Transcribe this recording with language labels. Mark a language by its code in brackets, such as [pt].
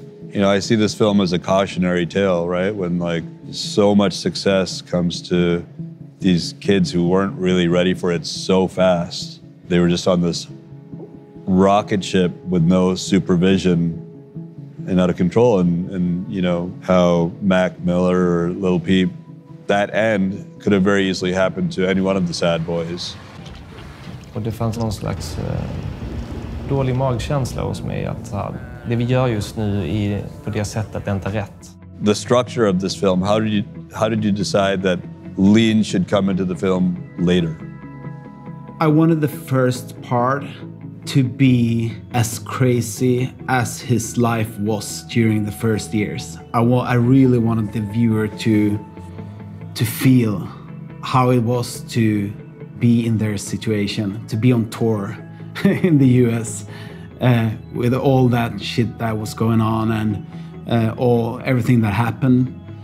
[en] You know, I see this film as a cautionary tale, right? When like so much success comes to these kids who weren't really ready for it so fast. They were just on this rocket ship with no supervision and out of control. And you know, how Mac Miller or Lil Peep, that end could have very easily happened to any one of the Sad Boys. [sv] Och det fanns någon slags dålig magkänsla hos mig att det vi gör just nu på det sättet att det inte är rätt. [en] The structure of this film, how did you decide that Lean should come into the film later? I wanted the first part to be as crazy as his life was during the first years. I really wanted the viewer to feel how it was to be in their situation, to be on tour in the US with all that shit that was going on and everything that happened.